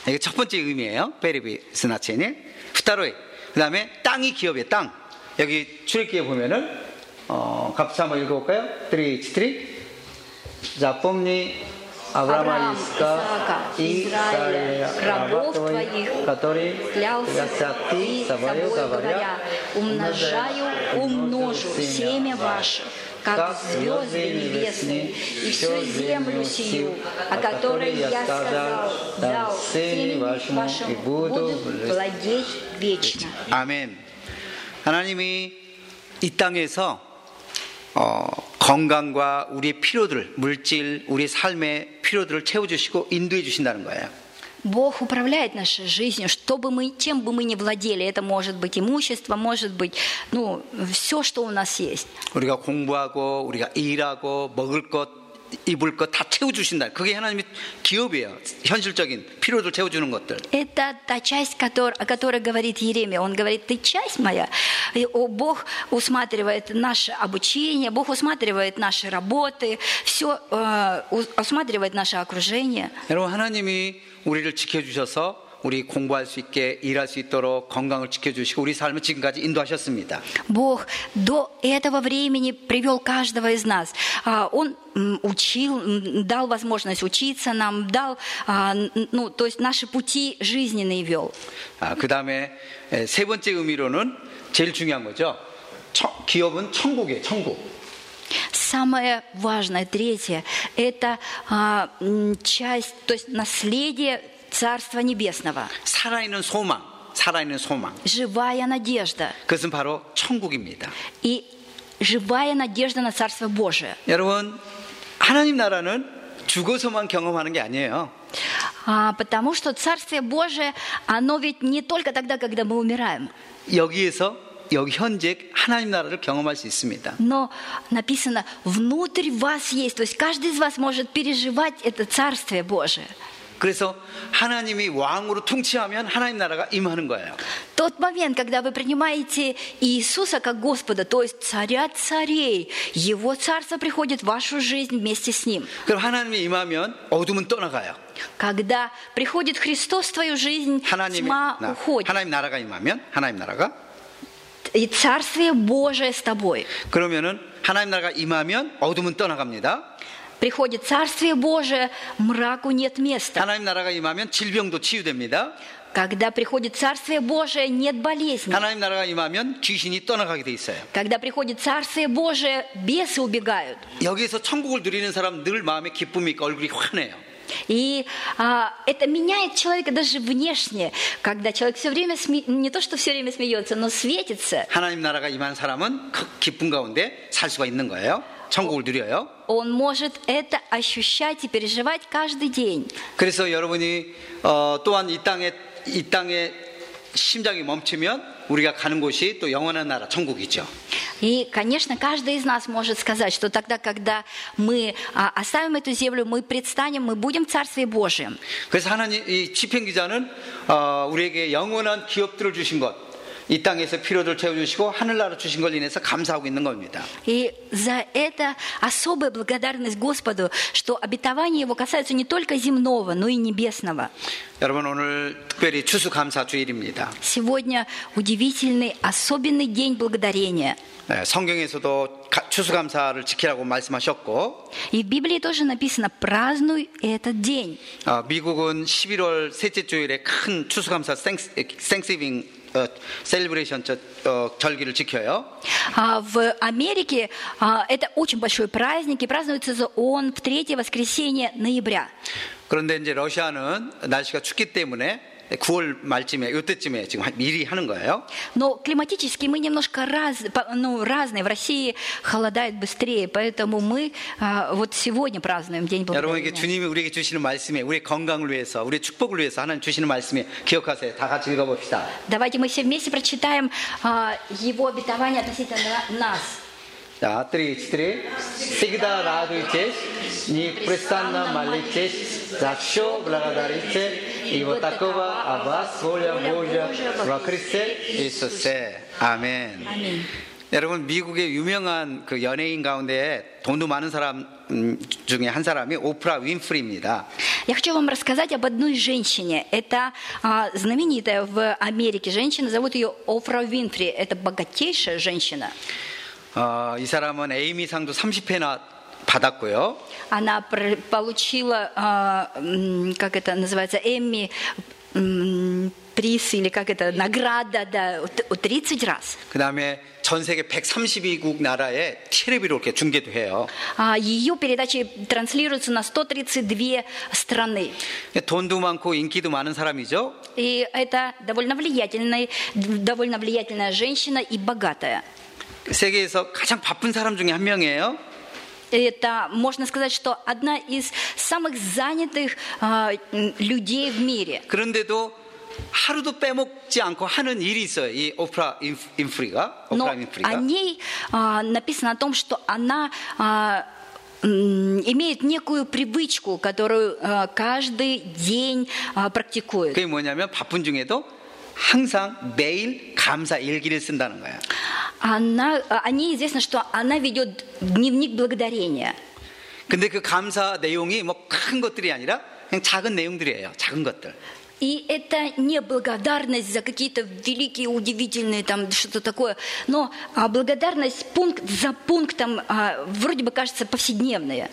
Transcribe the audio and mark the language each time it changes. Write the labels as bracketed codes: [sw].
[ko] 이게 첫 번째 의미예요. 베리비 스나체니. 두 번째. 그다음에 땅이 기업이에요. 땅. 여기 출애굽기에 보면은 같이 한번 읽어 볼까요? 3:3. 잡음니 아브라함아 이스카 이스라엘아 [ru] рабов твоих, которые клялся ты собою, говоря: "Умножаю, умножу семя ваше". Как звезды небесные и всю землю сию, о которой я сказал, дал сыну вашему и буду владеть вечно. Аминь. [ko] 하나님이 이 땅에서 건강과 우리의 필요들, 물질, 우리 삶의 필요들을 채워주시고 인도해 주신다는 거예요. [ru] Бог управляет нашей жизнью, чтобы мы, чем бы мы ни владели, это может быть имущество, может быть, ну, все, что у нас есть. [ko] 우리가 공부하고, 우리가 일하고, 먹을 것, 입을 것 다 채워주신다. 그게 하나님의 기업이에요. 현실적인 필요를 채워주는 것들. [ru] Это та часть, о которой говорит Иеремия. Он говорит: "Ты часть моя". Бог усматривает наше обучение, Бог усматривает наши работы, все усматривает наше окружение. [ko] 여러분, 하나님이 우리를 지켜주셔서 우리 공부할 수 있게 일할 수 있도록 건강을 지켜주시고 우리 삶을 지금까지 인도하셨습니다. [ru] Бог до этого времени привел каждого из нас. Он учил, дал возможность учиться нам, дал, ну, то есть наши пути жизненные вел. [ko] 그다음에 세 번째 의미로는 제일 중요한 거죠. 기업은 천국이에요, 천국. [ru] Самое важное, третье, это часть, то есть наследие Царства Небесного. [ko] 살아있는 소망, 살아있는 소망. [ru] Живая надежда. [ko] 그것은 바로 천국입니다. [ru] И живая надежда на Царство Божие. [ko] 여러분, 하나님 나라는 죽어서만 경험하는 게 아니에요. [ru] Потому что Царствие Божие, оно ведь не только тогда, когда мы умираем. [ko] 여기에서 여기 현재 하나님 나라를 경험할 수 있습니다. [ru] Но написано внутри вас есть, то есть каждый из вас может переживать это царствие Божие. [ko] 그래서 하나님이 왕으로 통치하면 하나님 나라가 임하는 거예요. [ru] Тот момент, когда вы принимаете Иисуса как Господа, то есть царя царей, Его царство приходит в вашу жизнь вместе с Ним. [ko] 그럼 하나님이 임하면 어둠은 떠나가요. [ru] Когда приходит Христос в твою жизнь, [ko] 하나님, [ru] тьма 나, уходит. [ko] 하나님 나라가 임하면 하나님 나라가 [ru] И Царствие Божие с тобой. [ko] 그러면은 하나님 나라가 임하면 어둠은 떠나갑니다. [ru] Приходит Царствие Божие, мраку нет места. [ko] 하나님 나라가 임하면 질병도 치유됩니다. [ru] Когда приходит Царствие Божие, нет болезни. [ko] 하나님 나라가 임하면 귀신이 떠나가게 돼 있어요. [ru] Когда приходит Царствие Божие, бесы убегают. [ko] 여기서 천국을 누리는 사람 늘 마음에 기쁨이 있고 얼굴이 환해요. [ru] И это меняет человека даже внешне, когда человек все время не то что все время смеется, но светится. [ko] 하나님 나라가 임한 사람은 그 기쁨 가운데 살 수가 있는 거예요. 천국을 누려요. [ru] Он может это ощущать и переживать каждый день. [ko] 그래서 여러분이 또한 이 땅에 심장이 멈추면 우리가 가는 곳이 또 영원한 나라 천국이죠. [ru] И, конечно, каждый из нас может сказать, что тогда, когда мы оставим эту землю, мы предстанем, мы будем в Царстве Божьем. [ko] 그래서 하나님 이 집행기자는 우리에게 영원한 기업들을 주신 것, 이 땅에서 필요를 채워주시고 하늘나라 주신 걸 인해서 감사하고 있는 겁니다. [ru] И за это особая благодарность Господу, что обетование Его касается не только земного, но и небесного. [ko] 여러분, 오늘 특별히 추수감사 주일입니다. [ru] Сегодня удивительный, особенный день благодарения. [ko] 네, 성경에서도 추수감사를 지키라고 말씀하셨고. [ru] И в Библии тоже написано: "Празднуй этот день". [ko] 미국은 11월 셋째 주일에 큰 추수감사 Thanksgiving 셀브레이션 절기를 지켜요. [ru] В Америке это очень большой праздник, и празднуется он в третье воскресенье ноября. [ko] 그런데 이제 러시아는 날씨가 춥기 때문에 9월 말쯤에 이때쯤에 지금 미리 하는 거예요. [ru] Но климатически мы немножко разные. В России холодает быстрее, поэтому мы вот сегодня празднуем день благодарения. [ko] 여러분, 이게 주님이 우리에게 주시는 말씀에 우리 건강을 위해서, 우리 축복을 위해서 하나님 주시는 말씀에 기억하세요. 다 같이 읽어봅시다. [ru] Давайте мы все вместе прочитаем его обетование относительно нас. [ko] 자, 3, 4. [ru] Всегда радуйтесь, непрестанно молитесь. За все благодарите, и вот такого о вас воля Божья во Христе Иисусе. Аминь. [ko] 여러분, 미국의 유명한 그 연예인 가운데 돈도 많은 사람 중에 한 사람이 오프라 윈프리입니다. [ru] Я хочу вам рассказать об одной женщине. Это знаменитая в Америке женщина, зовут ее Опра Винфри. Это богатейшая женщина. [ko] 이 사람은 에이미상도 30회나 받았고요. [ru] Она получила, как это называется, Эмми приз или как это награда, да, 30 раз. [ko] 그다음에 전 세계 132국 나라에 TV로 이렇게 중계도 해요. [ru] 이요 передачи транслируются на 132 страны. [ko] 돈도 많고 인기도 많은 사람이죠. [ru] И это довольно влиятельная женщина и богатая. [ko] 세계에서 가장 바쁜 사람 중에 한 명이에요. [ru] это, можно сказать, что одна из самых занятых людей в мире. [ko] 그런데도 하루도 빼먹지 않고 하는 일이 있어요. 이 오프라 인프리가. 오프라 인프리가. 오프라 인프리가. [ru] 아니, написано о том, что она имеет некую привычку, которую каждый день практикует. [ko] 그게 뭐냐면 바쁜 중에도 항상 매일 감사 일기를 쓴다는 거야. [ru] Она, они известно, что она ведет дневник благодарения. [ko] 근데 그 감사 내용이 뭐 큰 것들이 아니라 그냥 작은 내용들이에요. 작은 것들. [ru] И это не благодарность за какие-то великие, удивительные там что-то такое, но благодарность пункт за пунктом, вроде бы кажется повседневная.